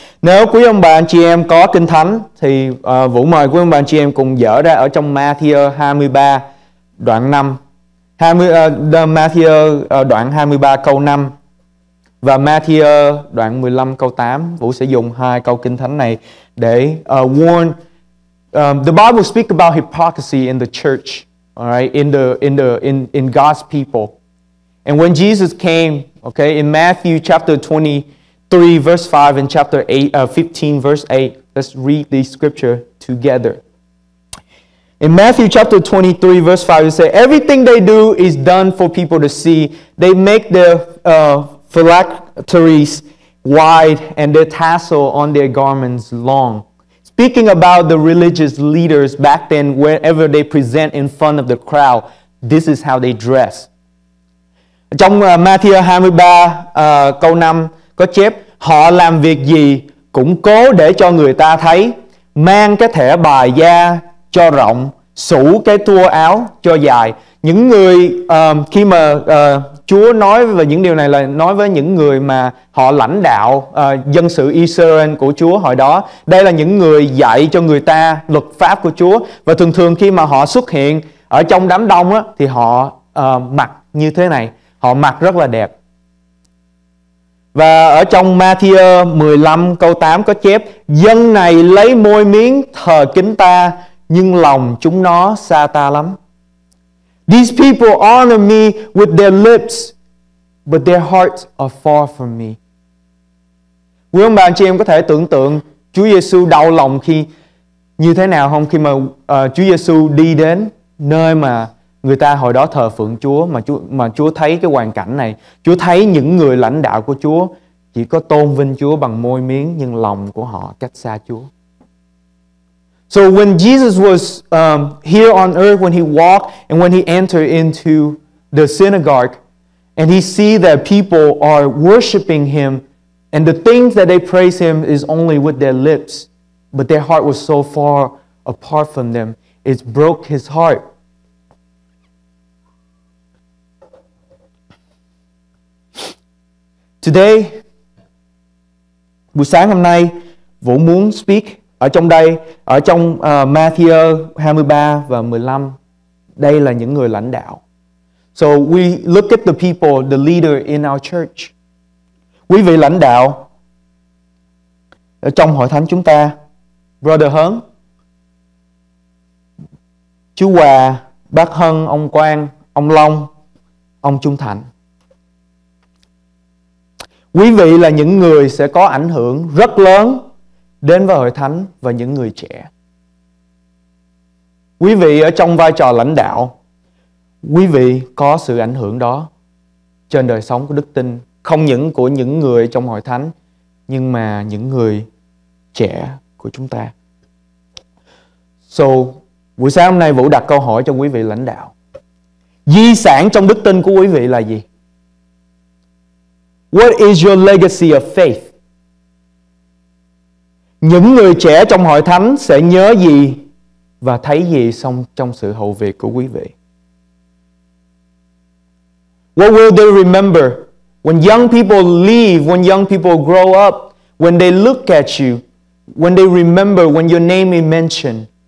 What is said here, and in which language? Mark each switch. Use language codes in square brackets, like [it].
[vi] Nếu quý ông bà anh chị em có kinh thánh thì Vũ mời quý ông bà anh chị em cùng dở ra ở trong Matthew 23 đoạn 5. Đoạn 23 câu 5 và Matthew đoạn 15 câu 8. Vũ sẽ dùng hai câu kinh thánh này để warn. [en] The Bible speak about hypocrisy in the church, all right? In God's people. And when Jesus came, okay, in Matthew chapter 23, verse 5, and chapter 15, verse 8, let's read the scripture together. In Matthew chapter 23, verse 5, it says, everything they do is done for people to see. They make their phylacteries wide and their tassel on their garments long. Speaking about the religious leaders back then, wherever they present in front of the crowd, this is how they dress. [vi] Trong Matthew 23 câu 5 có chép, họ làm việc gì cũng cố để cho người ta thấy, mang cái thẻ bài da cho rộng, sủ cái tua áo cho dài. Những người khi mà Chúa nói về những điều này là nói với những người mà họ lãnh đạo dân sự Israel của Chúa hồi đó. Đây là những người dạy cho người ta luật pháp của Chúa, và thường thường khi mà họ xuất hiện ở trong đám đông á, thì họ mặc như thế này. Họ mặc rất là đẹp. Và ở trong Matthew 15 câu 8 có chép, dân này lấy môi miệng thờ kính ta, nhưng lòng chúng nó xa ta lắm. [en] These people honor me with their lips, but their hearts are far from me. [vi] Quý ông bà anh chị em có thể tưởng tượng Chúa Giê-xu đau lòng khi như thế nào không? Khi mà Chúa Giê-xu đi đến nơi mà người ta hồi đó thờ phượng Chúa, mà Chúa thấy cái hoàn cảnh này, Chúa thấy những người lãnh đạo của Chúa chỉ có tôn vinh Chúa bằng môi miệng nhưng lòng của họ cách xa Chúa. [en] So when Jesus was here on earth, when he walked and when he entered into the synagogue and he see that people are worshiping him and the things that they praise him is only with their lips, but their heart was so far apart from them, it broke his heart. [vi] Today, buổi sáng hôm nay, Vũ muốn speak ở trong đây, ở trong Matthew 23 và 15. Đây là những người lãnh đạo. [en] So we look at the people, the leader in our church. [vi] Quý vị lãnh đạo ở trong hội thánh chúng ta, Brother Hấn, chú Hòa, bác Hân, ông Quang, ông Long, ông Trung Thạnh. Quý vị là những người sẽ có ảnh hưởng rất lớn đến với hội thánh và những người trẻ. Quý vị ở trong vai trò lãnh đạo, quý vị có sự ảnh hưởng đó trên đời sống của đức tin, không những của những người trong hội thánh, nhưng mà những người trẻ của chúng ta. So, buổi sáng hôm nay Vũ đặt câu hỏi cho quý vị lãnh đạo. Di sản trong đức tin của quý vị là gì? [en] What is your legacy of faith? [vi] Những người trẻ trong hội thánh sẽ nhớ gì và thấy gì trong sự hầu việc của quý vị? [en] What will they remember when young people leave, when young people grow up, when they look at you, when they remember, when your name is mentioned?